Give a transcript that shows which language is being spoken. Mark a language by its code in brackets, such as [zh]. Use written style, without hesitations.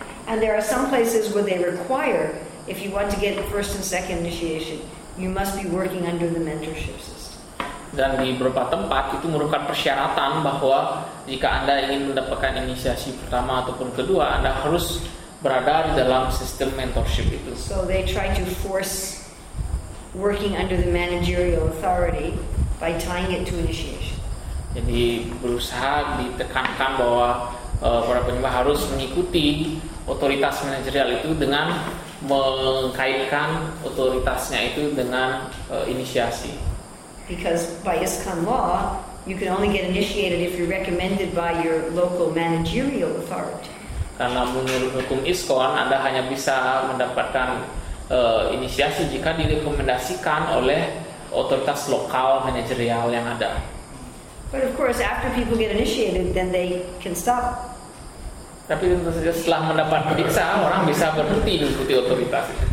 [en] And there are some places where they require, if you want to get the first and second initiation, you must be working under the mentorship system. [id] Dan di beberapa tempat itu merupakan persyaratan bahwa jika Anda ingin mendapatkan inisiasi pertama ataupun kedua, Anda harus berada di dalam sistem mentorship itu. [en] So they try to force working under the managerial authority by tying it to initiation. [id] Jadi berusaha ditekankan bahwa para penyembah harus mengikuti otoritas manajerial itu dengan mengkaitkan otoritasnya itu dengan inisiasi. [en] Because by ISKCON law, you can only get initiated if you're recommended by your local managerial authority. [id] Karena menurut hukum ISKCON, Anda hanya bisa mendapatkan inisiasi jika direkomendasikan oleh otoritas lokal manajerial yang ada. [en] But of course, after people get initiated, then they can stop. [id] Tapi tentu saja setelah mendapat periksa, orang bisa berhenti mengikuti otoritas.